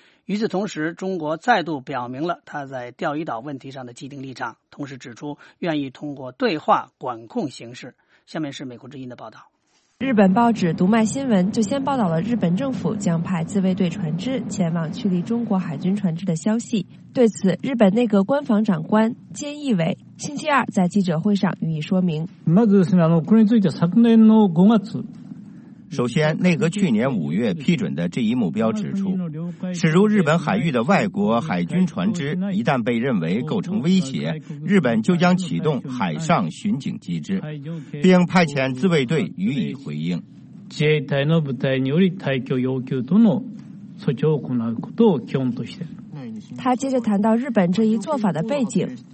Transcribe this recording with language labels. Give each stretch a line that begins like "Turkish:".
Chinese: 与此同时，中国再度表明了他在钓鱼岛问题上的既定立场，同时指出愿意通过对话管控形势。下面是美国之音的报道。日本报纸读卖新闻就先报道了日本政府将派自卫队船只前往驱离中国海军船只的消息。对此，日本内阁官房长官菅义伟星期二在记者会上予以说明。
Japanese: まずですね、これについて昨年の5月。
Chinese: 首先，内阁去年5月批准的这一目标指出，驶入日本海域的外国海军船只一旦被认为构成威胁，日本就将启动海上巡警机制，并派遣自卫队予以回应。
Japanese: 自衛隊の部隊により退去要求との措置を行うことを基本として。
Chinese: 他接着谈到日本这一做法的背景。